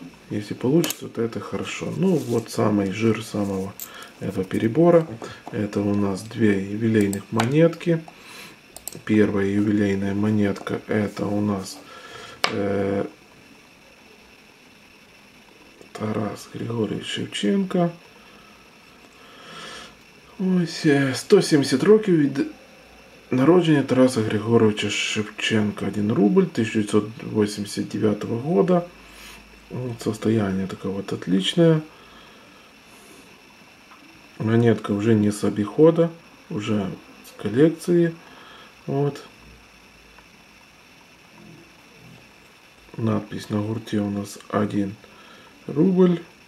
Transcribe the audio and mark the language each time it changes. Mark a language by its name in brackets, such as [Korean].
[Russian] Если получится, то это хорошо. Ну вот самый жир самого этого перебора. Это у нас две ювелирных монетки. Первая ювелирная монетка. Это у нас Тарас Григорьевич Шевченко. [Ukrainian] Ось, 170 років від народження Тараса Григорьевича Шевченка. [Russian] 1 рубль 1989 года. Состояние такое вот отличное. Монетка уже не с обихода, уже с коллекции. Вот. Надпись на гурте у нас 1 рубль.